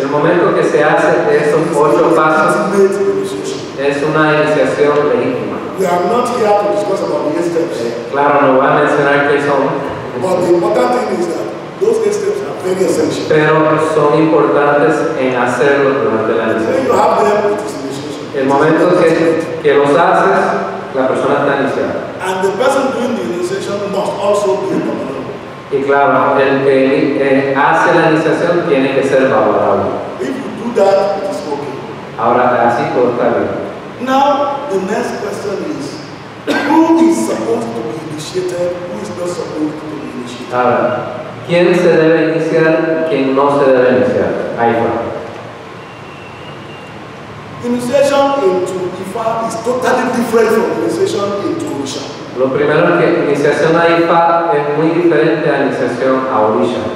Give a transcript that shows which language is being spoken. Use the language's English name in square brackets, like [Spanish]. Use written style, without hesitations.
[Spanish] el momento que se hace esos 8 pasos es una iniciación legítima. [English] We are not here to discuss about the steps. [Spanish] Claro, no voy a mencionar qué son. [English] But the important thing is that those steps are very essential. [Spanish] Pero son importantes en hacerlo durante la iniciación. [English] When you have them, [Spanish] el momento que los haces, la persona está iniciada. [English] And the person doing the initiation must also be valorable. [Spanish] Y claro, el que hace la iniciación tiene que ser valorable. [English] If you do that, it is okay. [Spanish] Ahora así todo está bien. [English] Now the next question is, who is supposed to be initiated? Who is not supposed to be initiated? [Spanish] Ahora, ¿quién se debe iniciar y quién no se debe iniciar? Ahí va. [English] Initiation into Ifa is totally different from initiation into Orisha. [Spanish] Lo primero es que iniciación a Ifa es muy diferente a iniciación a Orisha.